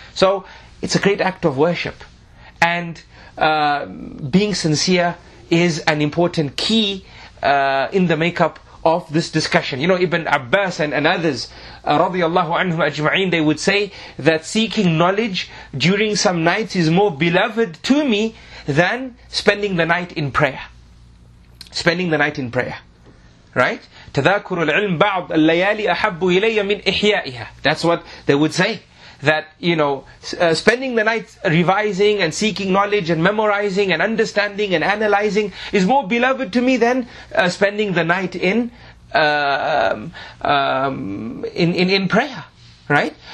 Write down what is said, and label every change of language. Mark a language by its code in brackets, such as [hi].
[en] So it's a great act of worship. And being sincere is an important key in the makeup of this discussion. Ibn Abbas and others, radiallahu anhum ajma'in, they would say that seeking knowledge during some nights is more beloved to me than spending the night in prayer. Spending the night in prayer. Right? [ar] تذاكر العلم بعض الليالي أحب إلي من إحيائها. [en] That's what they would say. That, you know, spending the night revising and seeking knowledge and memorizing and understanding and analyzing is more beloved to me than spending the night in prayer, right?